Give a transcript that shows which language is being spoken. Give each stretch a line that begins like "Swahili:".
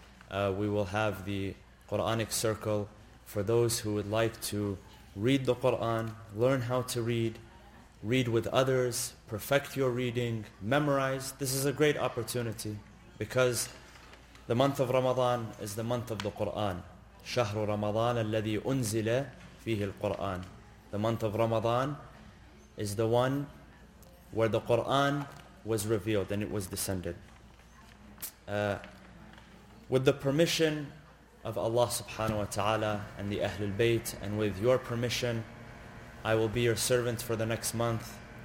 English: We will have the Quranic circle for those who would like to read the Quran, learn how to read, read with others, perfect your reading, memorize. This is a great opportunity because the month of Ramadan is the month of the Quran.
Arabic: شهر رمضان الذي أنزل فيه القرآن.
English: The month of Ramadan is the one where the Quran was revealed and it was descended. With the permission of Allah subhanahu wa ta'ala and the Ahlul Bayt, and with your permission, I will be your servant for the next month.